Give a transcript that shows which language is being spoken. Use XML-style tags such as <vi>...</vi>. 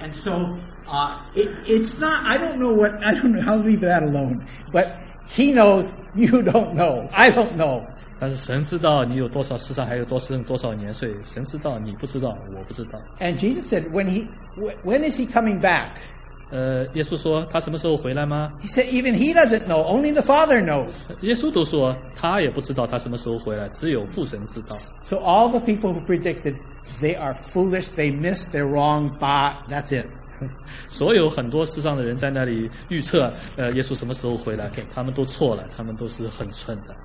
<en>And so, it's not, I don't know, I'll leave that alone. But he knows, you don't know, I don't know.</en> <zh>但是神知道你有多少世上还有多少多少年岁，神知道，你不知道，我不知道。</zh> <en>And Jesus said, when is he coming back?</en> <zh>耶稣说他什么时候回来吗？</zh> <en>He said, even he doesn't know, only the Father knows.</en> <zh>耶稣都说他也不知道他什么时候回来，只有父神知道。</zh> <en>So all the people who predicted, they are foolish, they missed, they're wrong, but that's it.</en> <zh>所有很多世上的人在那里预测，耶稣什么时候回来？</zh> <en>Okay.</en> <zh>他们都错了，他们都是很蠢的。</zh>